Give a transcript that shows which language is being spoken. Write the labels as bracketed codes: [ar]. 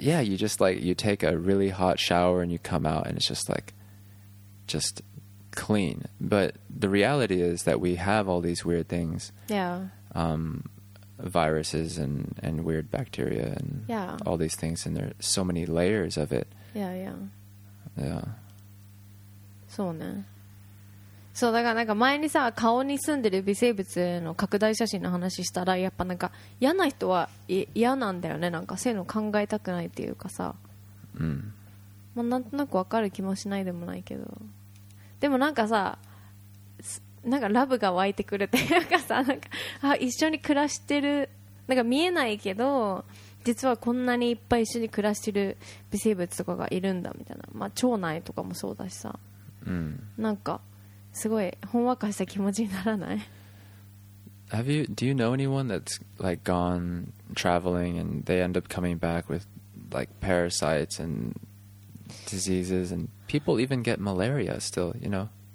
[en] Yeah, you just, like, you take a really hot shower and you come out and it's just, like, just clean. But the reality is that we have all these weird things. Yeah. Viruses and weird bacteria and all these things, and there are so many layers of it. Yeah, yeah. Yeah. [ja] そうね。そう、だからなんか前にさ、顔に住んでる微生物の拡大写真の話したら、やっぱなんか嫌な人は嫌なんだよね。なんかそういうの考えたくないっていうかさ。まあ、なんとなくわかる気もしないでもないけど。でもなんかさ、なんかラブが湧いてくるというかさ、なんかあ、一緒に暮らしてる、なんか見えないけど実はこんなにいっぱい一緒に暮らしてる微生物とかがいるんだみたいな、まあ、腸内とかもそうだしさ、なんかすごいほんわかした気持ちにならない。 [en] Do you know anyone that's like gone traveling and they end up coming back with like parasites and diseases, and people even get malaria still, you know?